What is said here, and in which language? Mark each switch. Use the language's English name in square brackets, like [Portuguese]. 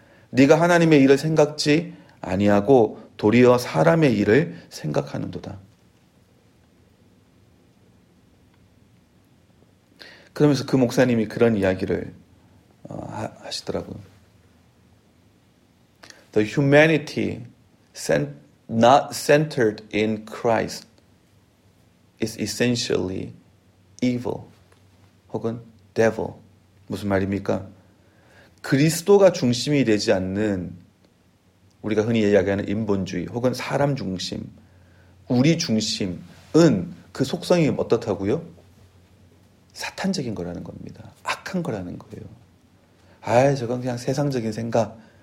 [Korean] 네가 하나님의 일을 생각지 아니하고 도리어 사람의 일을 생각하는도다. 그러면서 그 목사님이 그런 이야기를 하시더라고요. [English] The humanity sent not centered in Christ is essentially evil [Korean] 혹은 [English] devil. [Korean] 무슨 말입니까? 그리스도가 중심이 되지 않는 우리가 흔히 이야기하는 인본주의 혹은 사람 중심, 우리 중심은 그 속성이 어떻다고요? 사탄적인 거라는 겁니다. 악한 거라는 거예요. 아, 저건 그냥 세상적인 생각.